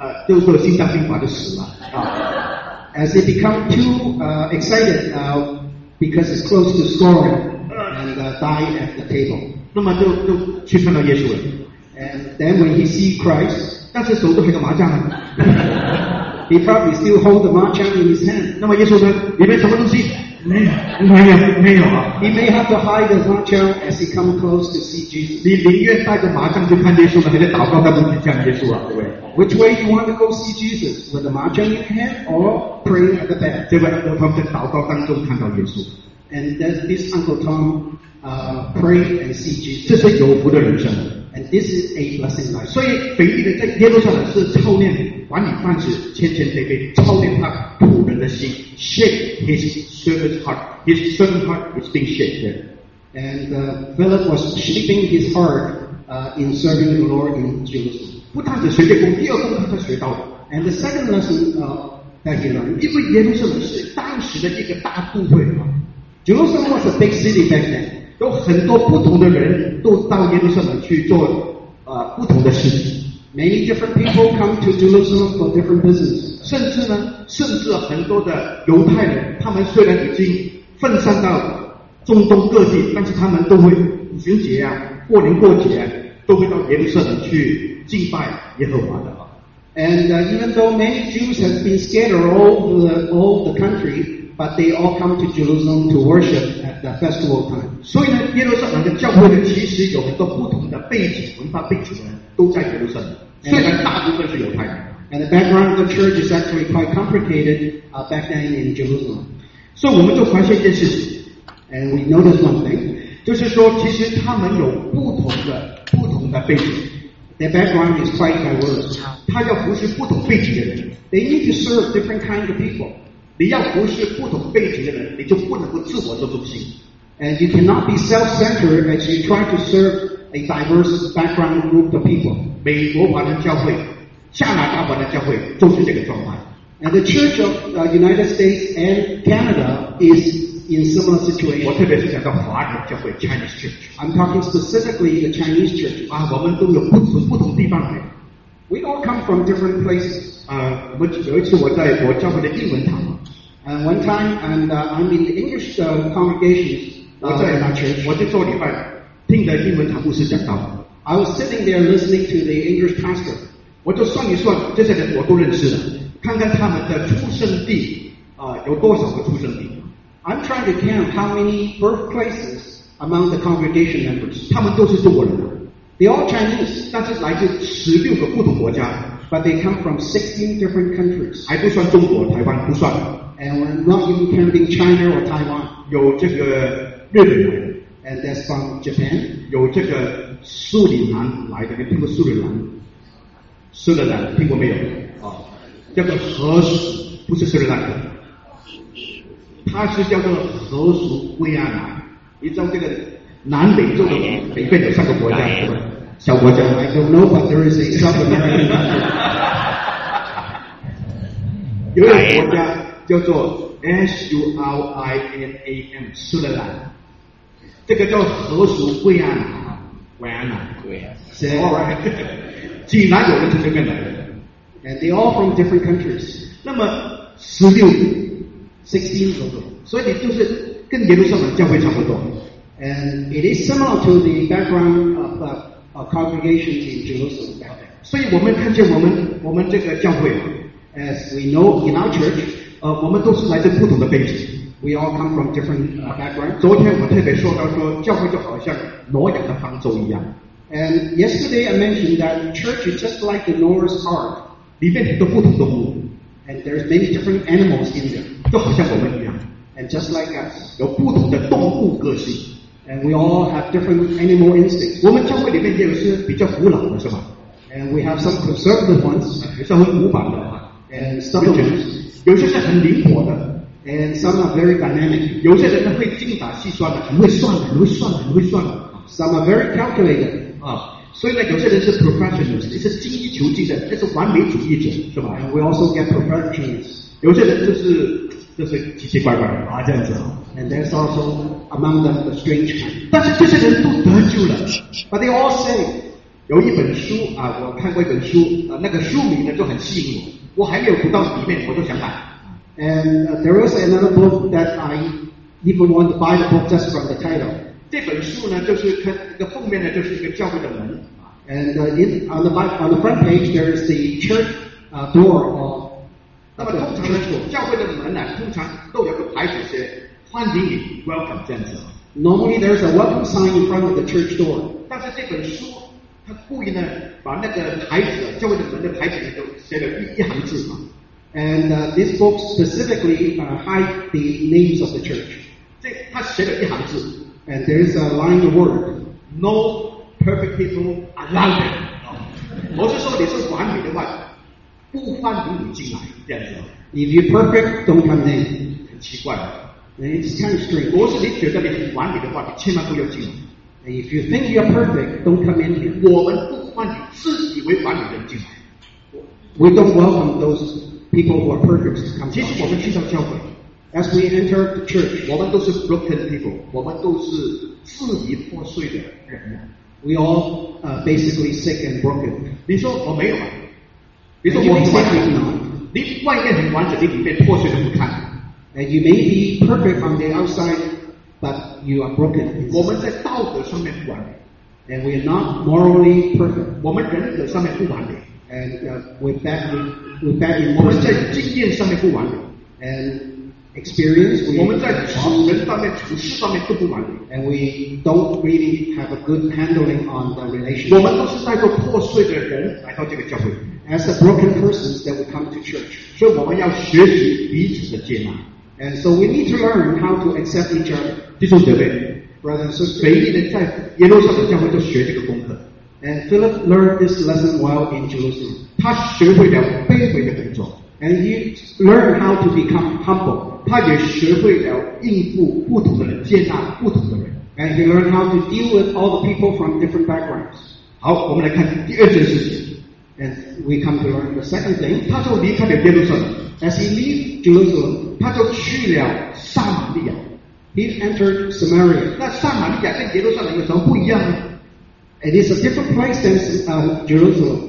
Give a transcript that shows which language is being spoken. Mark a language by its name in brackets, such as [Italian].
[Chinese] 就是心脏病发就死了啊 [English] ！As he become too excited now because it's close to scoring and die at the table， [Chinese] 那么就去看到耶稣了。 [English] And then when he see Christ， [Chinese] 但是手都还有麻将呢。 [English] He probably still hold the 麻将 in his hand. [Chinese] 那么耶稣说里面什么东西？没有。 [English] He may have to hide the 麻将 as he come close to see Jesus. [Chinese] 你宁愿带着麻将去看耶稣呢，还是祷告当中去见耶稣啊？对不对？ [English] Which way you want to go see Jesus? With the 麻将 in hand or praying at the back? [Chinese] 这位我们在祷告当中看到耶稣。 [English] And that this Uncle Tom, pray and see Jesus. [Chinese] 这是有福的人生。 [English] And this is a blessing life. [Chinese] 所以腓力的在耶路撒冷是操练管理饭食，谦谦卑卑，操练他仆人的心 ， [English] shape his servant's heart. His servant's heart is being shaped there. And Philip was shaping his heart, in serving the Lord in Jerusalem. [Chinese] 不单只学这功，第二功他学到了。 [English] And the second lesson, that he learned. [Chinese] 因为耶路撒冷是当时的一个大都会嘛。 [English] Jerusalem was a big city back then. [Chinese] 有很多不同的人都到耶路撒冷去做不同的事情。 [English] Many different people come to Jerusalem for different business. [Chinese] 甚至很多的犹太人，他们虽然已经分散到中东各地，但是他们都会春节啊，过年过节啊，都会到耶路撒冷去敬拜耶和华的。 [English] And even though many Jews have been scattered all the country, but they all come to Jerusalem to worship at the festival time. [Chinese] 所以呢，耶路撒冷的教会呢，其实有很多不同的背景、文化背景的人都在耶路撒冷。虽然大部分是犹太人。 [English] And the background of the church is actually quite complicated back then in Jerusalem. [Chinese] 所以我们就发现一件事情。 [English] And we noticed one thing. [Chinese] 就是说，其实他们有不同的背景。 [English] Their background is quite diverse. [Chinese] 他要服侍不同背景的人。 [English] They need to serve different kinds of people. [Chinese] 你要服侍不同背景的人，你就不能够自我做中心。 [English] And you cannot be self-centered as you try to serve a diverse background group of people. [Chinese] 美国华人教会、加拿大华人教会都是这个状况。 [English] And the Church of the United States and Canada is in similar situation. [Chinese] 我特别是讲到华人教会 [English] Chinese Church. I'm talking specifically the Chinese Church. [Chinese] 啊，我们都有不同地方的。 [English] We all come from different places. [Chinese] 我有一次我在我教会的英文堂。 [English] And one time, and I'm in the English congregation. [Chinese] 我在 [English] 那church. [Chinese] 我就坐礼拜，听着英文堂牧师讲道。 [English] I was sitting there listening to the English pastor. [Chinese] 我就算一算，这些人我都认识了，看看他们的出生地有多少个出生地。 [English] I'm trying to count how many birthplaces among the congregation members. [Chinese] 他们都是中国人。 [English] They're all Chinese, [Chinese] 但是来自16个不同国家。 [English] But they come from 16 different countries. [Chinese] 还不算中国、台湾不算。 [English] And we're not even counting China or Taiwan. [Chinese] 有这个日本来的。 [English] And that's from Japan. [Chinese] 有这个苏里南来的，你听过苏里南？苏里南听过没有？叫做河属，不是苏里南的，它是叫做河属圭亚那。你知道这个？南美洲的北边有三个国家，是吧？小国家。 [English] I don't know, but there is a South American country. [Chinese] 有一个国家叫做 Surinam， 苏里南。这个叫河属圭亚那，圭亚那。 [English] All right， [Chinese] 既然有人从这边来的 [English] ，and they all from different countries， [Chinese] 那么16 左右，所以就是跟耶路撒冷教会差不多。 [English] And it is similar to the background of the congregation in Jerusalem. [Chinese] 所以我们看见我们这个教会 [English] ，as we know in our church， [Chinese] 我们都是来自不同的背景。 [English] We all come from different background. [Chinese] 昨天我特别说到说，教会就好像挪亚的方舟一样。 [English] And yesterday I mentioned that church is just like the Noah's ark. [Chinese] 里面都不同动物。 [English] And there's many different animals in there. [Chinese] 就好像我们一样。 [English] And just like us, [Chinese] 有不同的动物个性。 [English] And we all have different animal instincts. [Chinese] 我们教会里面也有些比较古老的，是吧？ [English] And we have some conservative ones, [Chinese] 稍微古板的。 [English] And some of them, [Chinese] 有些是很灵活的。 [English] And some are very dynamic. [Chinese] 有些人会精打细算的，很会算的。 [English] Some are very calculated. [Chinese] 所以呢，有些人是 professionals, 这是精益求精的，这是完美主义者，是吧？ [English] And we also get perfectionists. [Chinese] 有些人就是奇奇怪怪的啊，这样子。 [English] And there's also among them the strange kind. [Chinese] 但是这些人都得救了。 [English] But they all say, [Chinese] 有一本书啊，我看过一本书啊，那个书名呢就很吸引我，我还没有读到里面，我就想买。 [English] And there was another book that I even want to buy the book just from the title. [Chinese] 这本书呢，就是它的封面呢，就是一个教会的门。 [English] And if on the back, on the front page, there is the church door. [Chinese] 那么通常呢，主教会的门呢，通常都有个牌子写欢迎你 ，Welcome 这样子。 [English] Normally there's a welcome sign in front of the church door. [Chinese] 但是这本书，他故意呢，把那个牌子，教会的门的牌子里头写了一行字啊。 [English] And this book specifically hide the names of the church. [Chinese] 这他写了一行字 [English] ，and there is a line of word. No perfect people allowed. [Chinese] 我是说你是管理的话。不欢迎你进来，这样子。 [English] If you're perfect, don't come in. [Chinese] 很奇怪。 [English] It's kind of strange. [Chinese] 如果你觉得你很完美的话，你千万不要进来。 [English] And if you think you're perfect, don't come in here. [Chinese] 我们不欢迎自以为完美的人进来。 [English] We don't welcome those people who are perfect to come in. [Chinese] 其实我们去到教会 [English] ，as we enter the church, [Chinese] 我们都是 [English] broken people. [Chinese] 我们都是支离破碎的人。 [English] We all basically sick and broken. [Chinese] 你说我没有。你说我完美吗？你外面很完整，你里面破碎的不堪。 [English] And you may be perfect on the outside, but you are broken. [Chinese] 我们在道德上面不完美。 [English] And we are not morally perfect. [Chinese] 我们人格上面不完美。 [English] And we're bad in morals. [Chinese] 我们在经验上面不完美。 [English] And experience. [Chinese] 我们在处人方面、处事上面都不完美。 [English] And we don't really have a good handling on the relationship. [Chinese] 我们都是带着破碎的人来到这个教会。 [English] As a broken person that will come to church. [Chinese] 所以我们要学习彼此的接纳。 [English] And so we need to learn how to accept each other. [Chinese] 弟兄姐妹 [English] Brother and sister. [Chinese] 腓立人在耶路撒冷教会都学这个功课。 [English] And Philip learned this lesson while in Jerusalem. [Chinese] 他学会了卑微的工作。 [English] And he learned how to become humble. [Chinese] 他也学会了应付不同的人，接纳不同的人。 [English] And he learned how to deal with all the people from different backgrounds. [Chinese] 好，我们来看第二件事情。 [English] And we come to learn the second thing. [Chinese] 他就离开了耶路撒冷。 [English] As he leave Jerusalem, [Chinese] 他就去了撒玛利亚。 [English] He entered Samaria. [Chinese] 那撒玛利亚跟耶路撒冷有什么不一样呢？ [English] It is a different place than Jerusalem.